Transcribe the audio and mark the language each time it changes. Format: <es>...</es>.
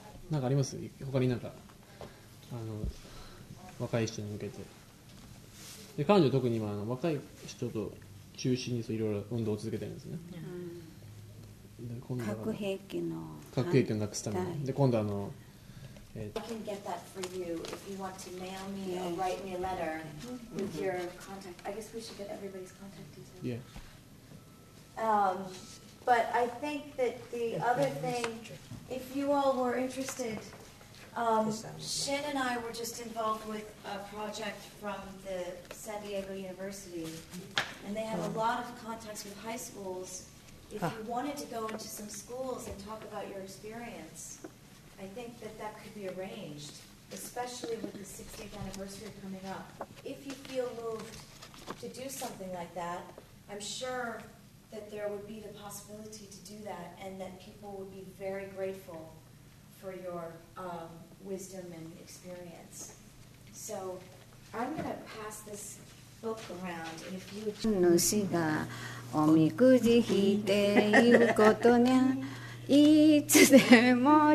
<ja>なんかあります？他になんかあの若い人に向けて、で彼女は特に今あの若い人と中心にそういろいろ運動を続けてるんですね。うん、で今度核兵器の核兵器をなくすために。で今度あの、</ja> <en>I can get that for you if you want to mail me or write me a letter with your contact. I guess we should get everybody's contact details. Yeah. But I think that the other thing, if you all were interested, Shin and I were just involved with a project from the San Diego University, and they have a lot of contacts with high schools. If you wanted to go into some schools and talk about your experience, I think that that could be arranged, especially with the 60th anniversary coming up. If you feel moved to do something like that, I'm sure that there would be the possibility to do that, and that people would be very grateful for your wisdom and experience. So I'm going to pass this book around, and if you would... の死がおみくじ引いていることにゃいつでも</en>